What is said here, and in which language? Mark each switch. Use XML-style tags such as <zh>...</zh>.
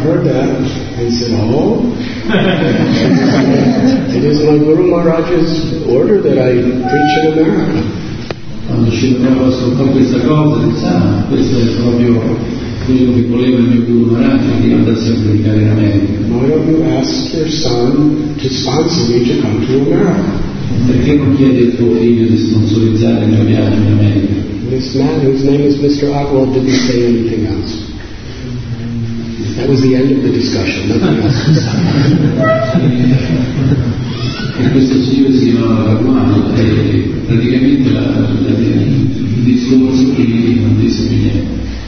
<en>heard that and said, oh, it is my Guru Maharaj's order that I preach in America.</en> <it>Quando Srila Prabhupada ascoltò questa cosa, disse, ah, questo è proprio quello che voleva il mio Guru Maharaj, di andare a predicare in America.</it> <en>Why don't you ask your son to sponsor me to come to America?</en> <it>Perché non chiede al tuo figlio di sponsorizzare il mio viaggio in America?</it> <en>This man, whose name is Mr. Agrawal, didn't say anything else. This That was the end of the discussion.</en> <it>E questo signore si chiamava Carmano e praticamente il discorso che gli non disse più niente.</it>